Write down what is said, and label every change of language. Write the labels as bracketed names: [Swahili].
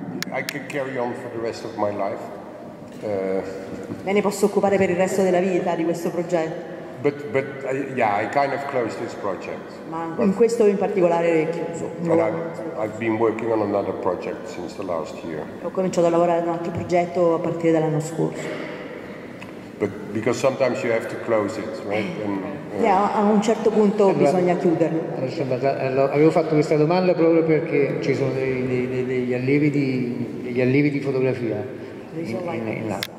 [English] I can carry on for the rest of my life. [Italian] Me ne posso occupare per il resto della vita di questo progetto. [English] But yeah, I kind of closed this project. [Italian] Ma in questo in particolare è chiuso. [English] But I've been working on another project since the last year. [Italian] Ho cominciato a lavorare ad un altro progetto a partire dall'anno scorso. [English] But because sometimes you have to close it, right? [Italian] A un certo punto bisogna chiuderlo. Avevo fatto questa domanda proprio perché ci sono degli allievi di fotografia in là.